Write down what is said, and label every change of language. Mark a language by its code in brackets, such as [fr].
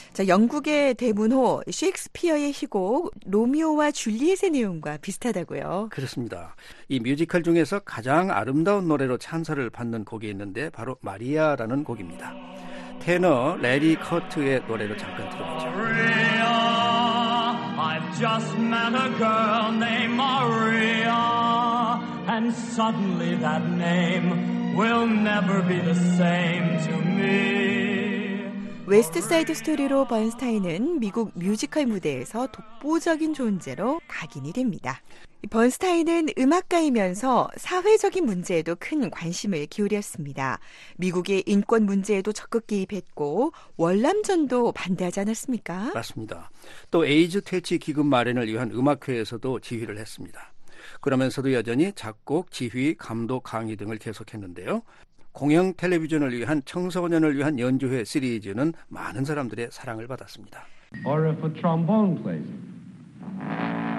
[ko] 자, 영국의 대문호 셰익스피어의 희곡 로미오와 줄리엣의 내용과 비슷하다고요. 그렇습니다. 이 뮤지컬 중에서 가장 아름다운 노래로 찬사를 받는 곡이 있는데 바로 마리아라는 곡입니다. 테너 레리 커트의 노래로 잠깐 들어보죠. [en] Maria, I've just met a girl named Maria and suddenly that name will never be the same to me. [ko] 웨스트사이드 스토리로 번스타인은 미국 뮤지컬 무대에서 독보적인 존재로 각인이 됩니다. 번스타인은 음악가이면서 사회적인 문제에도 큰 관심을 기울였습니다. 미국의 인권 문제에도 적극 개입했고 월남전도 반대하지 않았습니까? 맞습니다. 또 에이즈 퇴치 기금 마련을 위한 음악회에서도 지휘를 했습니다. 그러면서도 여전히 작곡, 지휘, 감독, 강의 등을 계속했는데요. 공영 텔레비전을 위한 청소년을 위한 연주회 시리즈는 많은 사람들의 사랑을 받았습니다. [en] Or if a trombone plays it.